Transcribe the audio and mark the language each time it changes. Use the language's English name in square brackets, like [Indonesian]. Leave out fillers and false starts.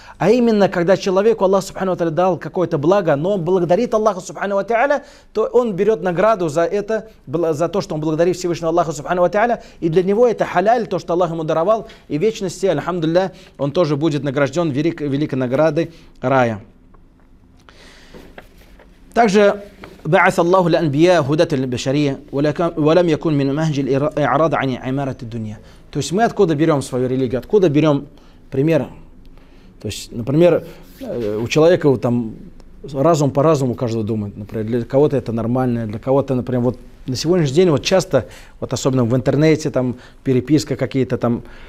[Russian] А именно, когда человеку Аллах субхану ва тааля дал какое-то благо, но он благодарит Аллаха субхану ва тааля, то он берет награду за это, за то, что он благодарит Всевышнего Аллаха субхану ва тааля, и для него это халяль, то, что Аллах ему даровал, и в вечности, альхамдулилля, он тоже будет награжден великой наградой рая. [Arabic] Также بعث الله الأنبياء هدى البشرية ولم يكن من منهج الإعراض عن عمارة الدنيا. [Russian] То есть мы откуда берем свою религию, откуда берем пример? То есть, например, у человека там разум по разуму каждого думает. Например, для кого-то это нормально, для кого-то, например, вот на сегодняшний день вот часто, вот особенно в интернете там переписка какие-то там.